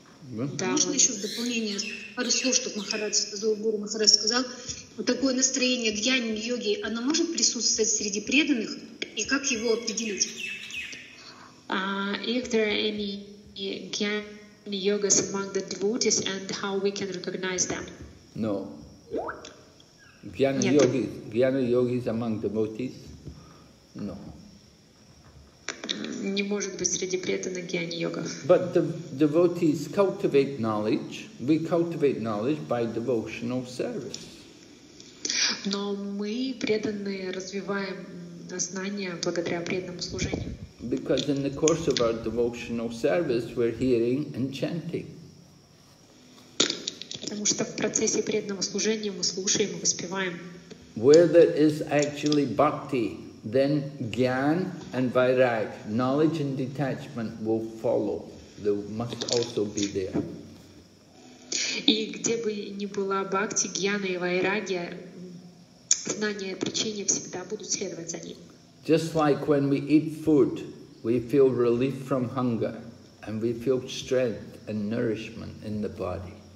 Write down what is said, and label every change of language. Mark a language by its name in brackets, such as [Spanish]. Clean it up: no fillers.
[Russian] Можно еще в дополнение пару слов, чтобы Махарадж сказал, Гуру Махарадж сказал, вот такое настроение гьяни, йоги, оно может присутствовать среди преданных, и как его определить? [English] If there are any gyani yogas among the devotees, and how we can recognize them? No. Gyani yogis among devotees? No. [Russian] Не может быть среди преданных гьяни-йога. [English] But the devotees cultivate knowledge. We cultivate knowledge by devotional service. [Russian] Но мы, преданные, развиваем знания благодаря преданному служению. [English] Because in the course of our devotional service, we're hearing and chanting. [Russian] Потому что в процессе преданного служения мы слушаем и воспеваем. [English] Where there is actually bhakti, then gyan and vairag, knowledge and detachment, will follow. They must also be there. [Russian] И где бы ни была бхакти, гьяна и вайрагья, знания и причины всегда будут следовать за ним. [English] Just like when we eat food, we feel relief from hunger, and we feel strength and nourishment in the body.